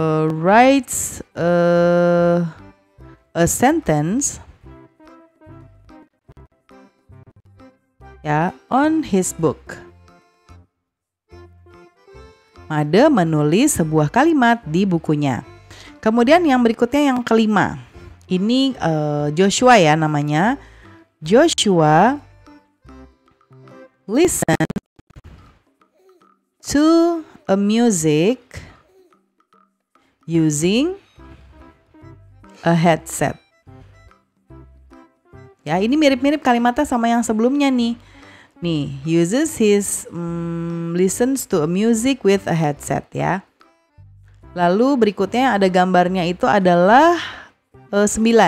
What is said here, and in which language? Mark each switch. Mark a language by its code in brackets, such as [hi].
[en] Writes a sentence [id] ya [en] on his book. [id] Made menulis sebuah kalimat di bukunya. Kemudian yang berikutnya yang kelima. Ini Joshua ya namanya. [en] Joshua listen to a music using a headset. [id] Ya, ini mirip-mirip kalimatnya sama yang sebelumnya nih. Nih, [en] uses his listens to a music with a headset [id] ya. Lalu berikutnya yang ada gambarnya itu adalah 9.